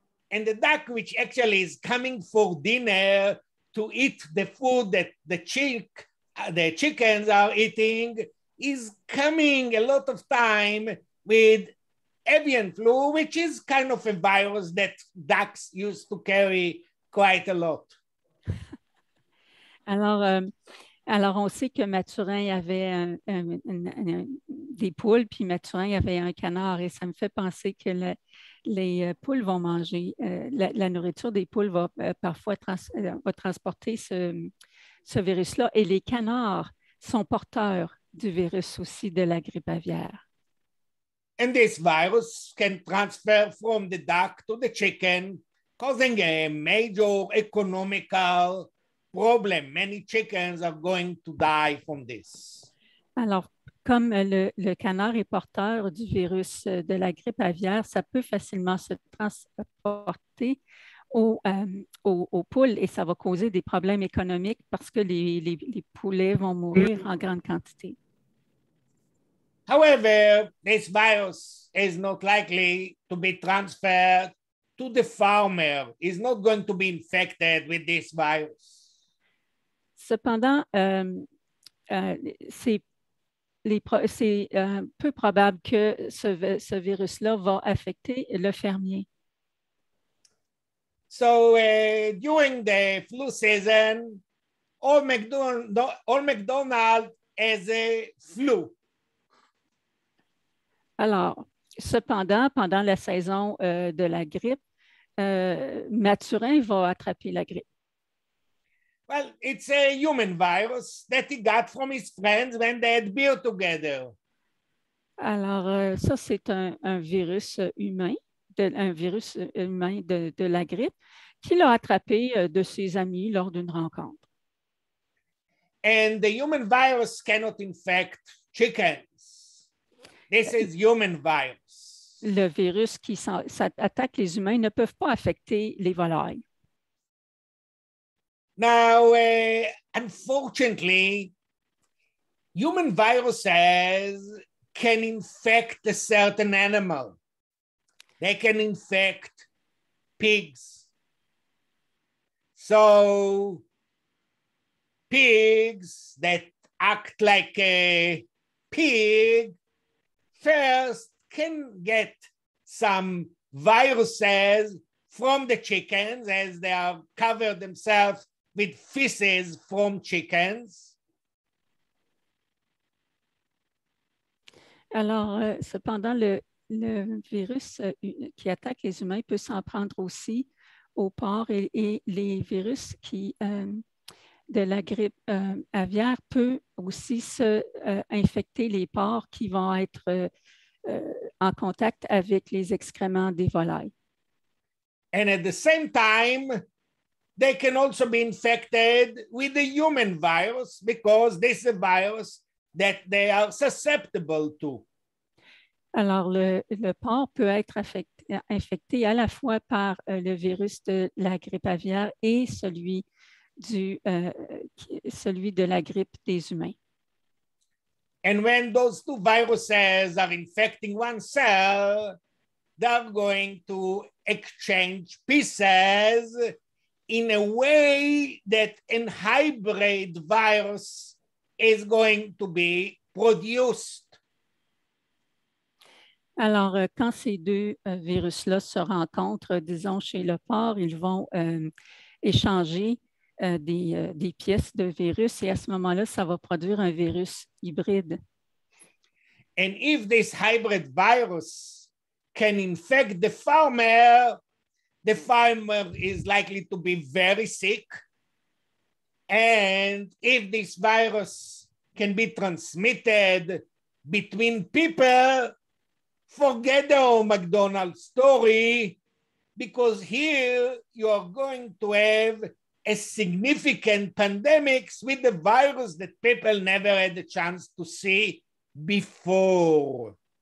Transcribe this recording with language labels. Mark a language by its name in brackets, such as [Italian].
[English] And the duck, which actually is coming for dinner to eat the food that the chickens are eating, is coming a lot of time with avian flu, which is kind of a virus that ducks used to carry quite a lot. [French] Alors on sait que Mathurin avait des poules, puis Mathurin avait un canard, et ça me fait penser que les poules vont manger, la nourriture des poules va transporter ce virus-là, et les canards sont porteurs du virus aussi de la grippe aviaire. [English] And this virus can transfer from the duck to the chicken, causing a major economical problem. Many chickens are going to die from this. [French] Alors, comme le canard est porteur du virus de la grippe aviaire, ça peut facilement se transporter aux poules et ça va causer des problèmes économiques parce que les poulets vont mourir en grande quantité. [English] However, this virus is not likely to be transferred to the farmer. He's not going to be infected with this virus. [French] Cependant, c'est peu probable que ce virus-là va affecter le fermier. [English] So during the flu season, Old MacDonald has a flu. [French] Alors, cependant, pendant la saison de la grippe, Mathurin va attraper la grippe. [English] Well, it's a human virus that he got from his friends when they had beer together. [French] Alors, ça, c'est un virus humain de la grippe qu'il a attrapé de ses amis lors d'une rencontre. [English] And the human virus cannot infect chickens. This is human virus. [French] Le virus qui attaque les humains ne peuvent pas affecter les volailles. [English] Now, unfortunately, human viruses can infect a certain animal. They can infect pigs. So, pigs that act like a pig first can get some viruses from the chickens as they have covered themselves with feces from chickens. [French] Alors, cependant, le virus qui attaque les humains il peut s'en prendre aussi aux porcs et les virus qui de la grippe aviaire peut aussi se infecter les porcs qui vont être en contact avec les excréments des volailles. [English] And at the same time, they can also be infected with the human virus because this is a virus that they are susceptible to. [French] Alors, le porc peut être infecté à la fois par le virus de la grippe aviaire et celui de la grippe des humains. [English] And when those two viruses are infecting one cell, they're going to exchange pieces in a way that a hybrid virus is going to be produced. [French] Alors, quand ces deux virus-là se rencontrent, disons, chez le porc, ils vont échanger des pièces de virus et à ce moment-là, ça va produire un virus hybride. [English] And if this hybrid virus can infect the farmer is likely to be very sick. And if this virus can be transmitted between people, forget the old McDonald's story, because here you are going to have a significant pandemic with the virus that people never had the chance to see before.